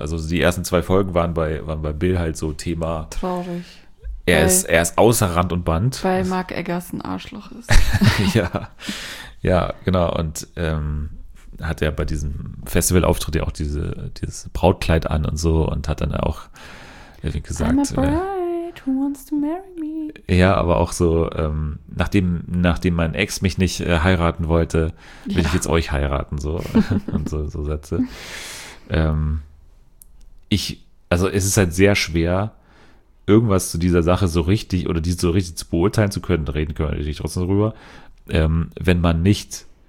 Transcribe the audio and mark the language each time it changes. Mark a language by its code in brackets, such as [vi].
[de] Also die ersten 2 Folgen waren bei Bill halt so Thema. Traurig. Er ist außer Rand und Band. Weil Mark Eggers ein Arschloch ist. ja, genau. Und hat er ja bei diesem Festival-Auftritt ja auch dieses Brautkleid an und so und hat dann auch irgendwie gesagt. [en] I'm a bride who wants to marry me. [de] Ja, aber auch so, nachdem mein Ex mich nicht heiraten wollte, will ich jetzt euch heiraten, so und so Sätze. Es ist halt sehr schwer, irgendwas zu dieser Sache so richtig oder die so richtig zu beurteilen zu können, reden können wir natürlich trotzdem drüber, wenn man nicht